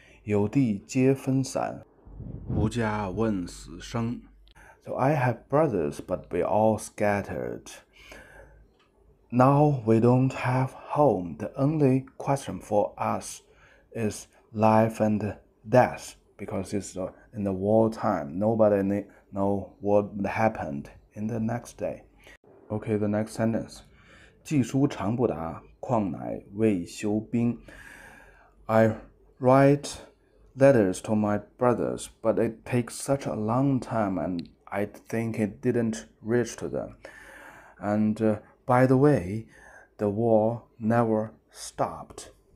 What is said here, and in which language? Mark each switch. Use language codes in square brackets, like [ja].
[zh] 有地皆分散，无家问死生。 [en] So I have brothers, but we all scattered. Now we don't have home. The only question for us is life and death, because it's in the war time. Nobody know what happened in the next day. Okay, the next sentence. [zh] 寄书常不达，况乃未休兵。 [en] I write letters to my brothers, but it takes such a long time, and I think it didn't reach to them. And by the way, the war never stopped.